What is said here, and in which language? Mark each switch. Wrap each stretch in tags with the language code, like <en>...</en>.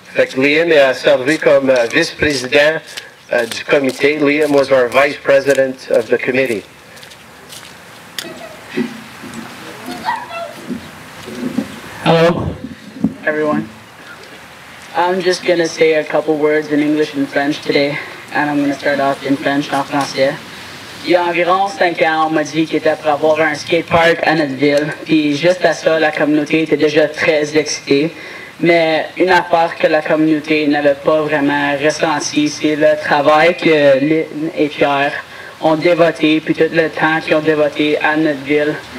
<fr>Fait que Liam a servi comme vice-président du comité.</fr> <en>Liam was our vice president of the committee. Hello, everyone. I'm just going to say a couple words in English and French today, and I'm going to start off in French,</en> <fr>en français. Il y a environ 5 ans, on m'a dit qu'il était pour avoir un skatepark à notre ville, puis juste à ça, la communauté était déjà très excitée. Mais une affaire que la communauté n'avait pas vraiment ressentie, c'est le travail que Lynn et Pierre ont dévoté, puis tout le temps qu'ils ont dévoté à notre ville.</fr>